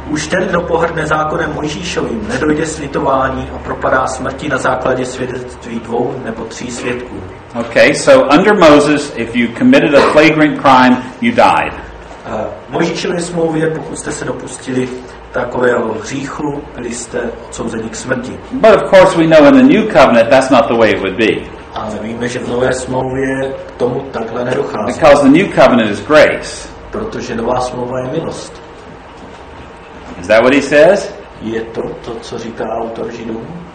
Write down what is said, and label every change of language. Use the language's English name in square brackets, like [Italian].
[Czech] Už ten, kdo pohrdne zákonem Mojžíšovým, nedojde slitování a propadá smrti na základě svědectví dvou nebo tří svědků. [English] Okay, so under Moses, if you committed a flagrant crime, you died. [Czech] Mojžíšově smlouvě, pokud jste se dopustili takového hříchu, byli jste odsouzeni k smrti. [English] But of course we know in the new covenant that's not the way it would be. [Czech] Ale víme, že v nové smlouvě k tomu takhle nedochází. [English] Because the new covenant is grace. [Czech] Protože nová smlouva je milost. [English] Is that what he says? [Czech] Je to to, co říká autor Židům?